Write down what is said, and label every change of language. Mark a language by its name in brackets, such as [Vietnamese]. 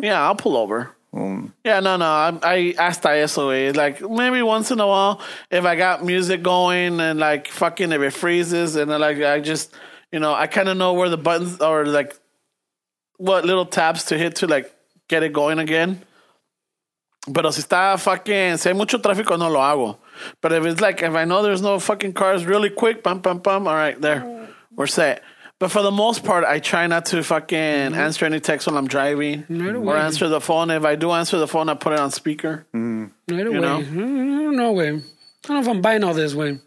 [English] Yeah, I'll pull over. Yeah, no. I asked ISOA, like, maybe once in a while, if I got music going and, like, fucking if it freezes and, like, I just... You know, I kind of know where the buttons are, like, what little tabs to hit to, like, get it going again. [Spanish] Pero si está fucking, si hay mucho tráfico, no lo hago. [English] But if it's like, if I know there's no fucking cars really quick, bam, bam, bam, all right, there, we're set. But for the most part, I try not to fucking answer any texts when I'm driving or answer the phone. If I do answer the phone, I put it on speaker. No way. I don't know if I'm buying all this, Wayne.